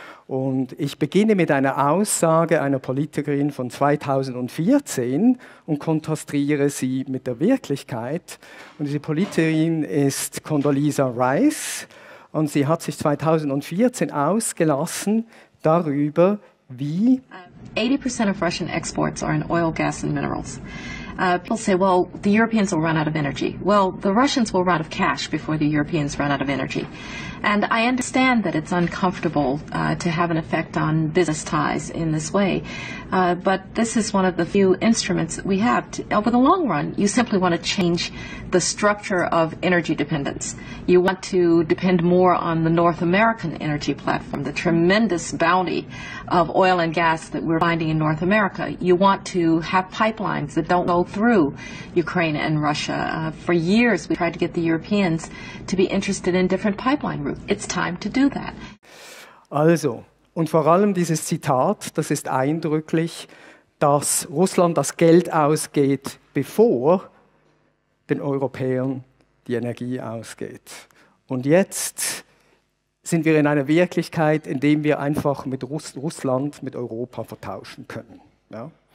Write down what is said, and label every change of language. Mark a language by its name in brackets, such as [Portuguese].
[German] Und ich beginne mit einer Aussage einer Politikerin von 2014 und kontrastiere sie mit der Wirklichkeit. Und diese Politikerin ist Condoleezza Rice und sie hat sich 2014 ausgelassen darüber, wie [English] 80% of Russian exports are in oil, gas and minerals. People say, well, the Europeans will run out of energy. Well, the Russians will run out of cash before the Europeans run out of energy. And I understand that it's uncomfortable to have an effect on business ties in this way. But this is one of the few instruments that we have. Over the long run, you simply want to change the structure of energy dependence. You want to depend more on the North American energy platform, the tremendous bounty of oil and gas that we're finding in North America. You want to have pipelines that don't go through Ukraine and Russia. For years, we tried to get the Europeans to be interested in different pipeline routes. It's time to do that. [German] Also, und vor allem dieses Zitat, das ist eindrücklich, dass Russland das Geld ausgeht, bevor den Europäern die Energie ausgeht. Und jetzt sind wir in einer Wirklichkeit, in der wir einfach mit Russland mit Europa vertauschen können. Ja?